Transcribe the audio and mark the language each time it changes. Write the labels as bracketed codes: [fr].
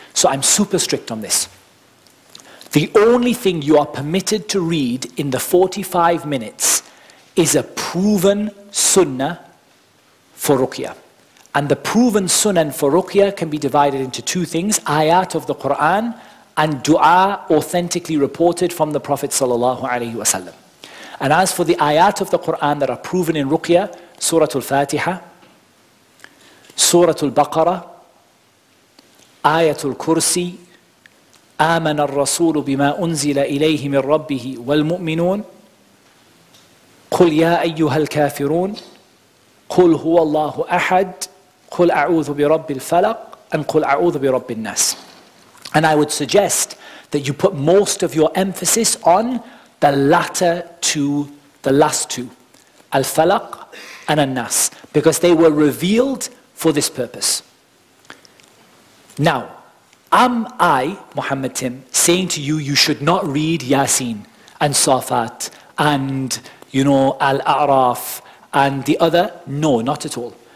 [en] So I'm super strict on this. The only thing you are permitted to read in the 45 minutes is a proven sunnah for ruqyah. And the proven sunnah for ruqyah can be divided into two things, ayat of the Quran and dua authentically reported from the Prophet sallallahu alaihi wasallam. And as for the ayat of the Quran that are proven in ruqyah, Surah Al-Fatiha, Surah Al-Baqarah, Ayatul Kursi, [ar] آمن الرسول بما أنزل إليه من ربه والمؤمنون قل يا أيها الكافرون قل هو الله أحد قل أعوذ برب الفلق [en] and [ar] قل أعوذ برب الناس. [en] And I would suggest that you put most of your emphasis on the latter two, the last two, Al-Falaq and Al-Nas, because they were revealed for this purpose. Now, am I, Muhammad Tim, saying to you, you should not read Yasin and Safat and, you know, Al-A'raf and the other? No, not at all.